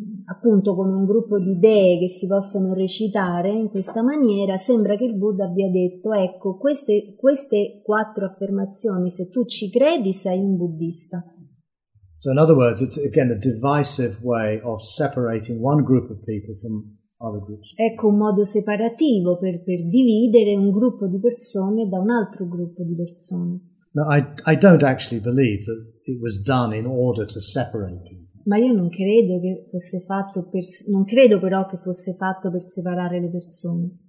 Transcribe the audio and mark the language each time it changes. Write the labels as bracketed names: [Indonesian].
[Italian] appunto con un gruppo di idee che si possono recitare in questa maniera, sembra che il Buddha abbia detto, ecco, queste quattro affermazioni, se tu ci credi sei un buddista. [English] So in other words, it's again a divisive way of separating one group of people from other groups. [Italian] Ecco un modo separativo per dividere un gruppo di persone da un altro gruppo di persone. [English] Now, I don't actually believe that it was done in order to separate people. [Italian] Ma io non credo che fosse fatto per, non credo però che fosse fatto per separare le persone.